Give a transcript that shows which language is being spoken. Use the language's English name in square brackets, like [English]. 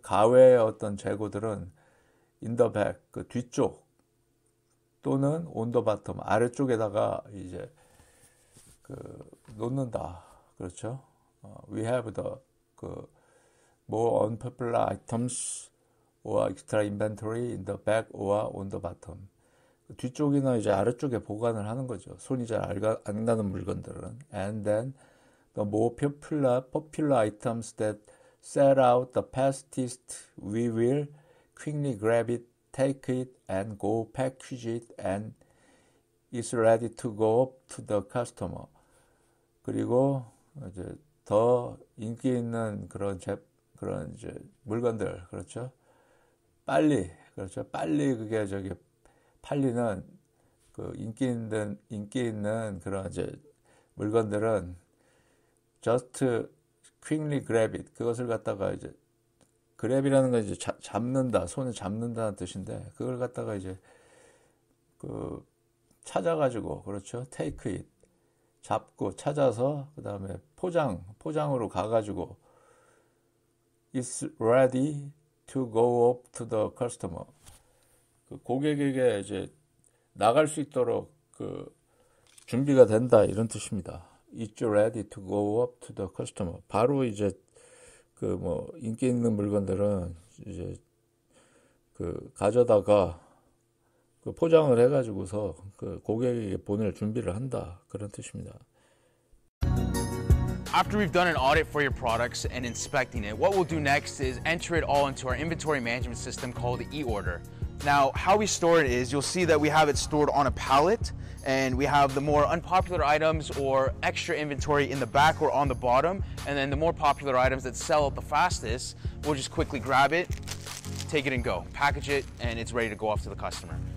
[Korean] 가외의 어떤 재고들은 인더백그 뒤쪽 또는 온더 바텀 아래쪽에다가 이제 그 놓는다 그렇죠? [English] We have the 그 more unpopular items or extra inventory in the back or on the bottom. [Korean] 뒤쪽이나 이제 아래쪽에 보관을 하는 거죠. 손이 잘안 가는 물건들은 [English] and then the more popular items that set out the fastest, we will quickly grab it, take it, and go package it, and it's ready to go to the customer. [Korean] 그리고 이제 더 인기 있는 그런 이제 물건들, 그렇죠? 빨리, 그렇죠? 빨리 그게 저기 팔리는 그 인기 있는 그런 이제 물건들은 [English] just quickly grab it. [Korean] 그것을 갖다가 이제 grab이라는 건 이제 잡는다, 손을 잡는다는 뜻인데 그걸 갖다가 이제 그 찾아가지고 그렇죠? [English] take it [Korean] 잡고 찾아서 그다음에 포장으로 가가지고 [English] it's ready to go up to the customer. [Korean] 그 고객에게 이제 나갈 수 있도록 그 준비가 된다 이런 뜻입니다. [English] It's ready to go up to the customer. [Korean] 바로 이제 그뭐 인기 있는 물건들은 이제 그 가져다가 그 포장을 해가지고서 그 고객에게 보낼 준비를 한다 그런 뜻입니다. [English] After we've done an audit for your products and inspecting it, what we'll do next is enter it all into our inventory management system called eOrder. Now, how we store it is you'll see that we have it stored on a pallet, and we have the more unpopular items or extra inventory in the back or on the bottom, and then the more popular items that sell out the fastest, we'll just quickly grab it, take it and go, package it, and it's ready to go off to the customer.